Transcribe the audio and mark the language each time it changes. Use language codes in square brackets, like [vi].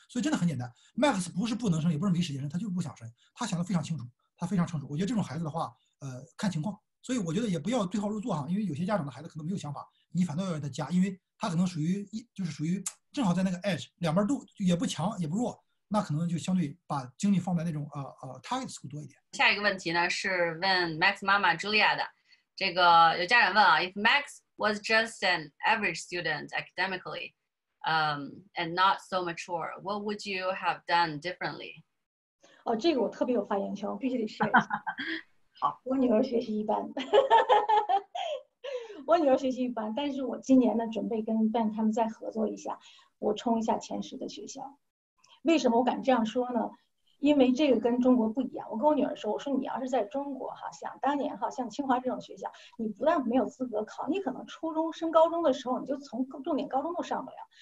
[zh] 所以真的很简单，Max 不是不能申，也不是没时间申，他就是不想申，他想得非常清楚，他非常成熟。我觉得这种孩子的话，看情况。所以我觉得也不要对号入座哈，因为有些家长的孩子可能没有想法，你反倒要给他加，因为他可能属于一就是属于正好在那个 edge 两边都也不强也不弱。那可能就相对把精力放在那种target school 多一点。下一个问题呢是问 Max 妈妈 Julia 的，这个有家长问啊， [en] If Max was just an average student academically, and not so mature, what would you have done differently？ [zh] 哦，这个我特别有发言权，必须得说一下。好，我女儿学习一般。我女儿学习一般，但是我今年呢准备跟 Ben 他们再合作一下，我冲一下前10的学校。为什么我敢这样说呢？因为这个跟中国不一样。我跟我女儿说，我说你要是在中国哈，想当年哈，像清华这种学校，你不但没有资格考，你可能初中升高中的时候，你就从重点高中都上不了。